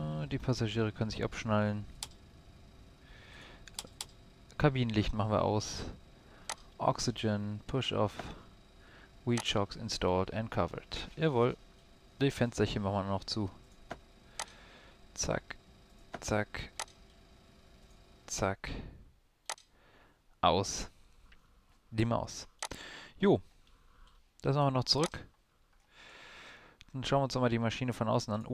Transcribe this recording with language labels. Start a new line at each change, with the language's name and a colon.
German: Die Passagiere können sich abschnallen. Kabinenlicht machen wir aus.
English: Oxygen, push off. Wheel shocks installed and covered.
German: Jawohl. Die Fensterchen machen wir noch zu. Zack. Zack. Zack. Aus. Die Maus. Jo. Das machen wir noch zurück. Dann schauen wir uns mal die Maschine von außen an.